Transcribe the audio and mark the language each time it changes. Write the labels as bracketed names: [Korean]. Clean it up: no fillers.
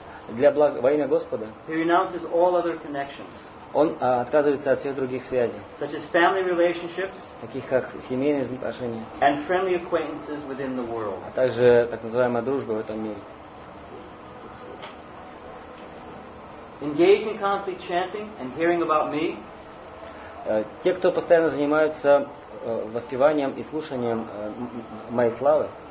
[Russian] Для блага, во имя Господа. [English] He renounces all other connections. [Russian] Он отказывается от всех других связей. [English] Such as family relationships. [Russian] Таких как семейные отношения. [English] And friendly acquaintances within the world. [Russian] А также так называемая дружба в этом мире. [English] Engaged in constant chanting and hearing about me. [Russian] Те, кто постоянно занимаются воспеванием и слушанием моей славы.